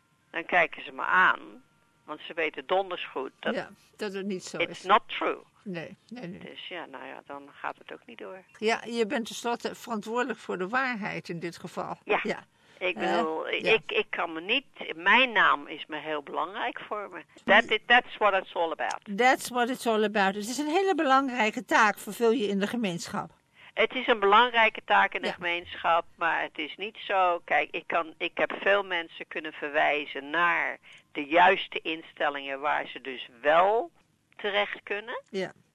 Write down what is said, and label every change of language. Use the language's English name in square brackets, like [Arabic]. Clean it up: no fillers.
[Dutch] Dan kijken ze me aan, want ze weten donders goed dat, ja, dat het niet zo [English] it's is. It's not true. [Dutch] Nee. Dus ja, nou ja, dan gaat het ook niet door. Ja, je bent tenslotte verantwoordelijk voor de waarheid in dit geval. Ja. Ik bedoel, ik kan me niet, mijn naam is me heel belangrijk voor me. [English] That's what it's all about. That's what it's all about. [Dutch] Het is een hele belangrijke taak, vervul je in de gemeenschap. Het is een belangrijke taak in de gemeenschap, maar het is niet zo. Kijk, ik heb veel mensen kunnen verwijzen naar de juiste instellingen waar ze dus wel terecht kunnen. Ja.